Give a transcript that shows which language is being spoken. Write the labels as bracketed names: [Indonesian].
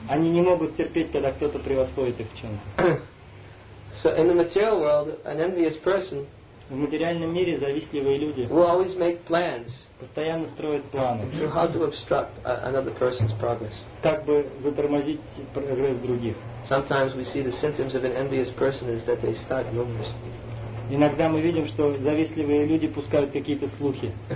[Russian] Они не могут терпеть, когда кто-то превосходит их в чем-то. [English] So in the material world, an envious person [Russian] в материальном мире завистливые люди [English] will always make plans [Russian] постоянно строят планы [English] to how to obstruct another person's progress. [Russian] Как бы затормозить прогресс других. [English] Sometimes we see the symptoms of an envious person is that they start rumors. [Russian] Иногда мы видим, что завистливые люди пускают какие-то слухи.